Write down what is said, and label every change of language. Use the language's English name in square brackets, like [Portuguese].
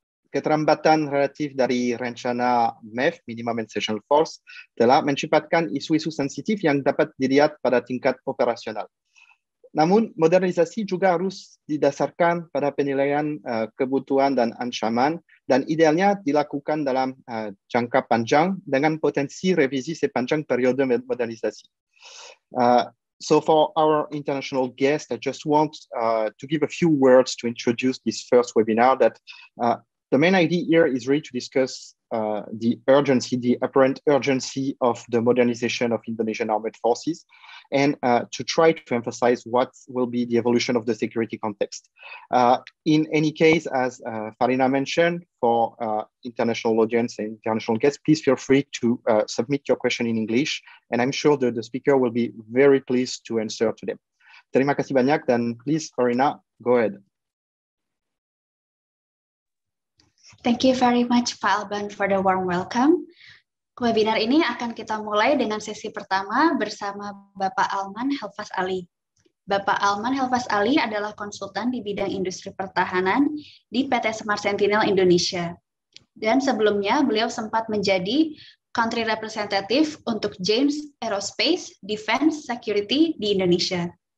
[Indonesian] Keterlambatan relatif dari rencana MEF, Minimum Essential Force, telah mencepatkan isu-isu sensitif yang dapat dilihat pada tingkat operasional. Namun, modernisasi juga harus didasarkan pada penilaian kebutuhan dan ancaman, dan idealnya dilakukan dalam jangka panjang dengan potensi revisi sepanjang periode modernisasi. [English] So for our international guest, I just want to give a few words to introduce this first webinar that the main idea here is really to discuss the urgency, the apparent urgency of the modernization of Indonesian armed forces, and to try to emphasize what will be the evolution of the security context. In any case, as Farina mentioned, for international audience and international guests, please feel free to submit your question in English, and I'm sure that the speaker will be very pleased to answer to them. [Indonesian] Terima kasih banyak, dan [English] please, Farina, go ahead. Thank you very much, Pak Alban, for the warm welcome. [Indonesian] Webinar ini akan kita mulai dengan sesi pertama bersama Bapak Alman Helvas Ali. Bapak Alman Helvas Ali adalah konsultan di bidang industri pertahanan di PT Semar Sentinel Indonesia. Dan sebelumnya, beliau sempat menjadi country representative untuk James Aerospace Defense Security di Indonesia.